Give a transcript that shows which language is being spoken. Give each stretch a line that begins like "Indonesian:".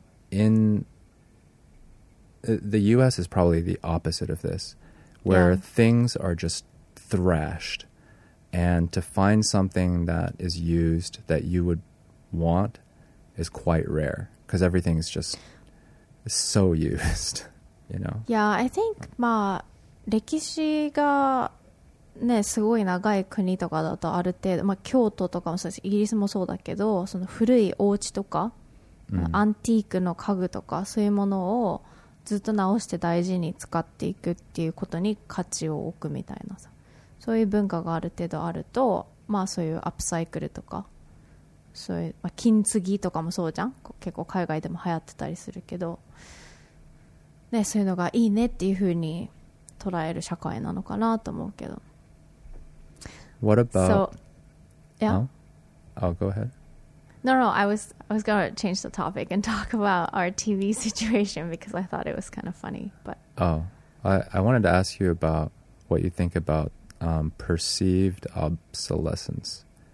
English: In the U.S. is probably the opposite of this, where things are just thrashed. And to find something that is used that you would want is quite rare, because everything is just so used, you know? Yeah, I think,
Japanese: まあ歴史がね、すごい長い国とかだとある程度、まあ、京都とかもそうです、イギリスもそうだけど、その古いお家とか、アンティークの家具とかそういうものをずっと直して大事に使っていくっていうことに価値を置くみたいなさ、そういう文化がある程度あると、まあ、そういうアップサイクルとかそういう、まあ、金継ぎとかもそうじゃん、結構海外でも流行ってたりするけど、ね、そういうのがいいねっていう風に捉える社会なのかなと思うけど。
English: What about? So, yeah. Oh, go ahead. No, I was going to change the topic and talk about our TV situation because I thought it was kind of funny. But oh, I wanted to ask you about what you think about perceived obsolescence.